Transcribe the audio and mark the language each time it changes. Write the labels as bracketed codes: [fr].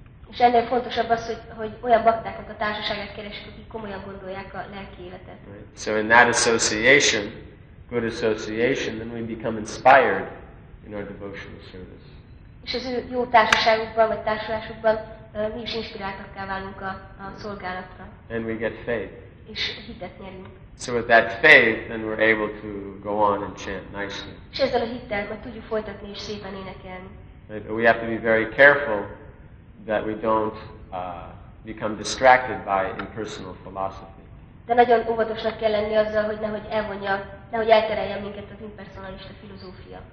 [hu] És ennél fontosabb az, hogy olyan baktákat, a társaságát keresik, akik komolyan gondolják a lelki életet. [en] Right. So in that association, good association, then we become inspired in our devotional service. [hu] És az ő jó társaságukban vagy társulásukban mi is inspiráltakká válunk a szolgálatra. [en] And we get faith. [hu] És hitet nyerünk. [en] So with that faith, then we're able to go on and chant nicely. [hu] És ezzel a hittel meg tudjuk folytatni és szépen énekelni. [en] But we have to be very careful that we don't become distracted by impersonal philosophy. [hu] De nagyon óvatosnak kell lenni azzal, hogy nehogy elterelje minket az impersonalista filozófia.